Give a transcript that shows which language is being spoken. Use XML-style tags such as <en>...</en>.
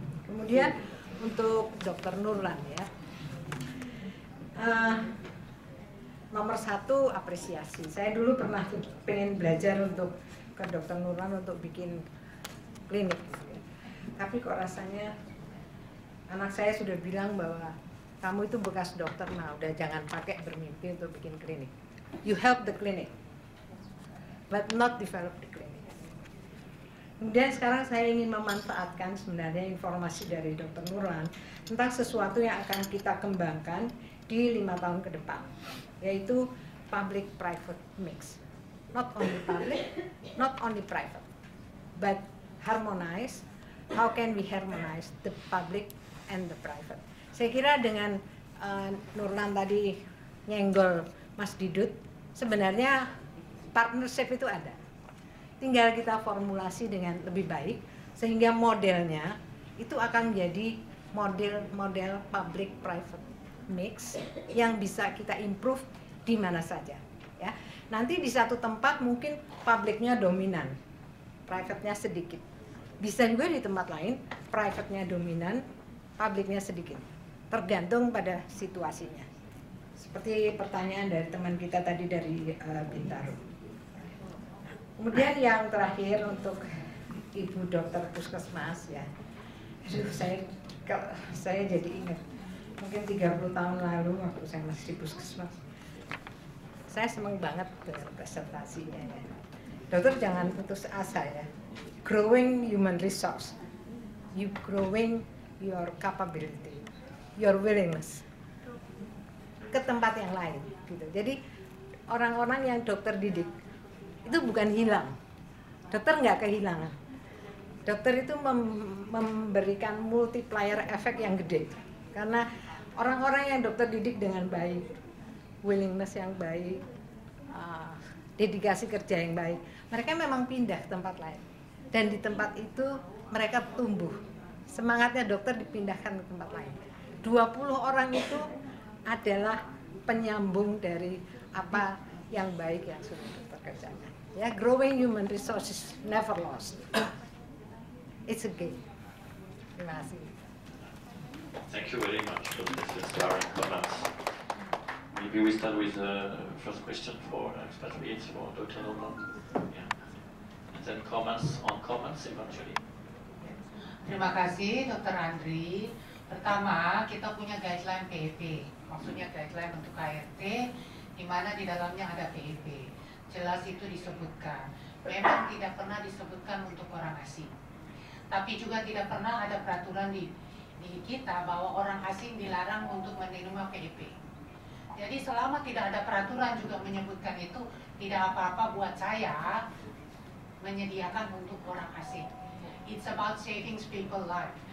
<id>Kemudian untuk Dr. Nurlan ya, nomor satu apresiasi. Saya dulu pernah pengen belajar untuk ke Dr. Nurlan untuk bikin klinik, tapi kok rasanya anak saya sudah bilang bahwa kamu itu bekas dokter, nah udah jangan pakai bermimpi untuk bikin klinik.</id> <en>You help the clinic, but not develop the clinic.</en> <id>Kemudian sekarang saya ingin memanfaatkan sebenarnya informasi dari Dr. Nurlan tentang sesuatu yang akan kita kembangkan di 5 tahun ke depan, yaitu public-private mix.</id> <en>Not only public, not only private, but harmonize. How can we harmonize the public and the private?</en> <id>Saya kira dengan Nurlan tadi nyenggol Mas Didut, sebenarnya partnership itu ada. Tinggal kita formulasi dengan lebih baik sehingga modelnya itu akan menjadi model-model public private mix yang bisa kita improve di mana saja ya. Nanti di satu tempat mungkin publicnya dominan, private-nya sedikit. Bisa juga di tempat lain private-nya dominan, publicnya sedikit. Tergantung pada situasinya. Seperti pertanyaan dari teman kita tadi dari Bintaro. Kemudian yang terakhir untuk Ibu Dokter Puskesmas ya. Aduh, saya jadi ingat mungkin 30 tahun lalu waktu saya masih di Puskesmas. Saya senang banget dengan presentasinya ya. Dokter jangan putus asa ya.</id> <en>Growing human resource. You growing your capability, your willingness</en> <id>ke tempat yang lain gitu. Jadi orang-orang yang dokter didik itu bukan hilang, dokter nggak kehilangan, dokter itu memberikan multiplier efek yang gede, karena orang-orang yang dokter didik dengan baik, willingness yang baik, dedikasi kerja yang baik, mereka memang pindah ke tempat lain, dan di tempat itu mereka tumbuh, semangatnya dokter dipindahkan ke tempat lain. 20 orang itu adalah penyambung dari apa yang baik yang sudah dipekerjakan.</id> <en>Ya, growing human resources never lost. It's a game.</en> <id>Terima kasih.</id> <en>Thank you very much for this inspiring comments. Maybe we start with the first question for expatriates, for Dr. Norman. Yeah. And then comments on comments eventually.</en> <id>Terima kasih, Dr. Andri. Pertama, kita punya guideline PEP, maksudnya guideline untuk KRT, di mana di dalamnya ada PEP. Jelas itu disebutkan. Memang tidak pernah disebutkan untuk orang asing. Tapi juga tidak pernah ada peraturan di kita bahwa orang asing dilarang untuk menerima PEP. Jadi selama tidak ada peraturan juga menyebutkan itu, tidak apa-apa buat saya menyediakan untuk orang asing.</id> <en>It's about saving people's life.</en>